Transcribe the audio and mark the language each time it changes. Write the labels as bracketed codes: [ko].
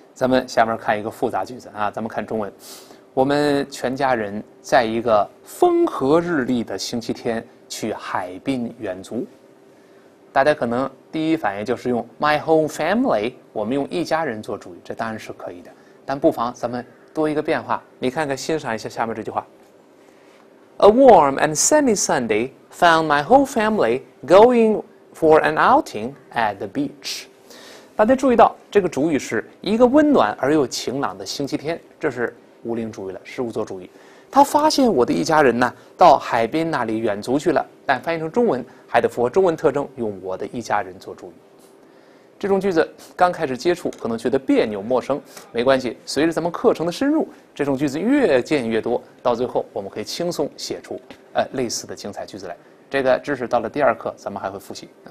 [zh] 咱们下面看一个复杂句子啊，咱们看中文。我们全家人在一个风和日丽的星期天去海滨远足。大家可能第一反应就是用 [en] my whole family， [zh] 我们用一家人做主语，这当然是可以的。但不妨咱们多一个变化，你看看欣赏一下下面这句话。 [en] A warm and sunny Sunday found my whole family going for an outing at the beach。 [zh] 大家注意到这个主语是一个温暖而又晴朗的星期天，这是无令主语了，事物做主语。他发现我的一家人呢到海边那里远足去了，但翻译成中文还得符合中文特征，用我的一家人做主语。这种句子刚开始接触可能觉得别扭陌生，没关系，随着咱们课程的深入，这种句子越见越多，到最后我们可以轻松写出类似的精彩句子来。这个知识到了第二课咱们还会复习。